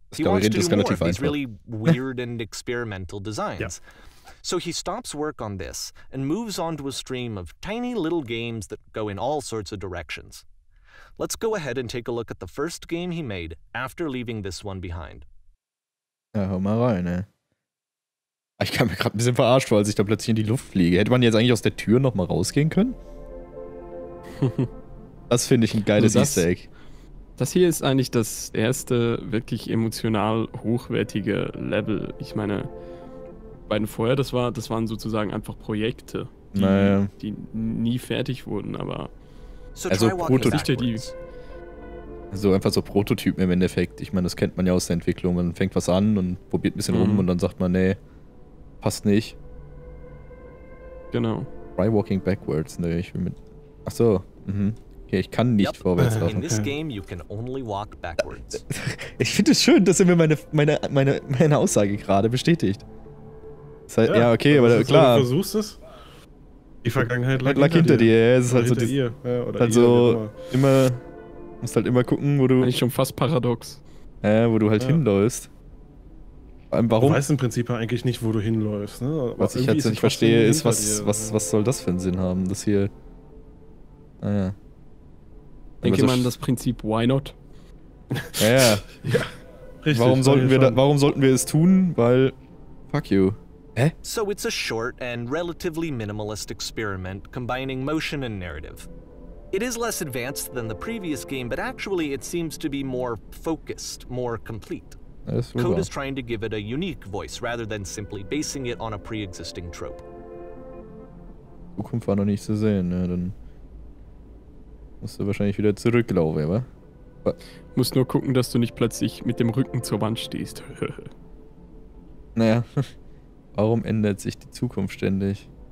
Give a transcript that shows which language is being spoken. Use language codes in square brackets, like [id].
[en] He wants to do more of these really weird and experimental designs. Yeah. So he stops work on this and moves on to a stream of tiny little games that go in all sorts of directions. Let's go ahead and take a look at the first game he made after leaving this one behind. [de] Ja, hau mal rein, ne? Ich kam mir gerade ein bisschen verarscht vor, als ich da plötzlich in die Luft fliege. Hätte man jetzt eigentlich aus der Tür nochmal rausgehen können? Das finde ich ein geiles Easter Egg. Das hier ist eigentlich das erste wirklich emotional hochwertige Level. Ich meine, beiden vorher, das waren sozusagen einfach Projekte, die nie fertig wurden, aber. Also Prototypen. Also einfach so Prototypen im Endeffekt. Ich meine, das kennt man ja aus der Entwicklung. Man fängt was an und probiert ein bisschen rum und dann sagt man, nee, passt nicht. Genau. [en] Try walking backwards, [de] ne? Ich will mit. Ach so. Mhm. Okay, ich kann nicht vorwärts laufen. [en] In this game you can only walk backwards. [de] Ich finde es schön, dass er mir meine Aussage gerade bestätigt. Halt, ja, okay, aber also, klar. Du versuchst es. Die Vergangenheit lag hinter dir. Ja, es ist halt so dieses, ihr. Ja, oder also ihr, immer. Musst halt immer gucken, wo du. Eigentlich schon fast paradox. Wo du halt hinläufst. Warum? Du weißt im Prinzip eigentlich nicht, wo du hinläufst. Ne? Was ich jetzt nicht verstehe, ist, was soll das für einen Sinn haben, das hier. Naja. Ah, denke mal an das Prinzip, [en] why not? [de] Ja, ja. Richtig. Warum sollten wir es tun? Weil. [en] Fuck you. So it's a short and relatively minimalist experiment combining motion and narrative. It is less advanced than the previous game, but actually it seems to be more focused, more complete. Code is trying to give it a unique voice rather than simply basing it on a pre-existing trope. [de] Zukunft war noch nicht zu sehen, ne? Dann musst du wahrscheinlich wieder zurücklaufen, oder? Musst nur gucken, dass du nicht plötzlich mit dem Rücken zur Wand stehst. Naja. Warum ändert sich die Zukunft ständig?